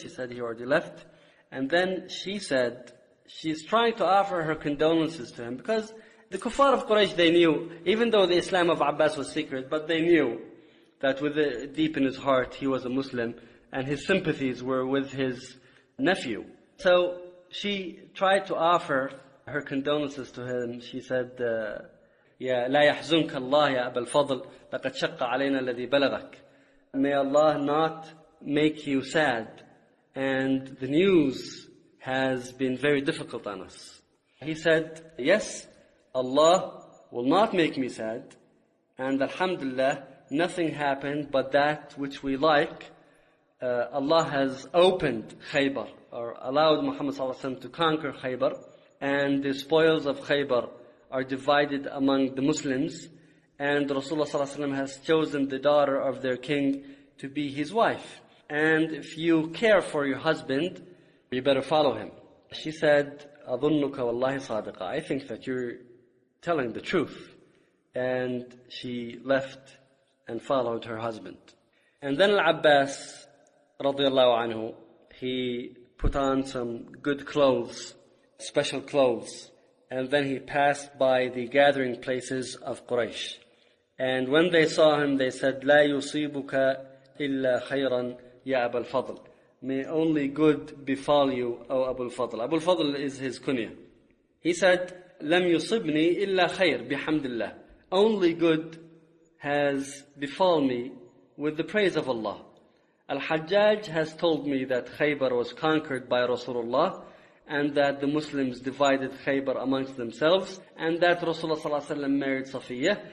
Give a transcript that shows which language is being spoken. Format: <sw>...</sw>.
<en>She said, he already left. And then she said, she's trying to offer her condolences to him, because the kuffar of Quraysh, they knew, even though the Islam of Abbas was secret, but they knew that with deep in his heart, he was a Muslim, and his sympathies were with his nephew. So she tried to offer her condolences to him. She said,</en> <ar>يَا لَا يَحْزُنْكَ اللَّهِ يَا أَبَا الْفَضْلِ لَقَدْ شَقَّ عَلَيْنَا الَّذِي بَلَغَكَ.</ar> <en>May Allah not make you sad, and the news has been very difficult on us. He said, yes, Allah will not make me sad, and alhamdulillah, nothing happened but that which we like. Allah has opened Khaybar, or allowed Muhammad sallallahu alaihi wasallam to conquer Khaybar, and the spoils of Khaybar are divided among the Muslims, and Rasulullah sallallahu alaihi wasallam has chosen the daughter of their king to be his wife. And if you care for your husband, you better follow him. She said,</en> <ar>أَظُنُّكَ وَاللَّهِ صَادِقًا.</ar> <en>I think that you're telling the truth. And she left and followed her husband. And then Al-Abbas, radiallahu anhu, he put on some good clothes, special clothes, and then he passed by the gathering places of Quraysh. And when they saw him, they said,</en> <ar>لَا يُصِيبُكَ إِلَّا خَيْرًا يَا أَبَا الْفَضْلِ.</ar> <en>May only good befall you, O Abu al-Fadl. Abu al-Fadl is his kunya. He said,</en> <ar>لَمْ يُصِبْنِي إِلَّا خَيْرٍ بِحَمْدِ اللَّهِ.</ar> <en>Only good has befall me with the praise of Allah. Al-Hajjaj has told me that Khaybar was conquered by Rasulullah and that the Muslims divided Khaybar amongst themselves and that Rasulullah sallallahu alayhi wa sallam married Safiyyah.</en>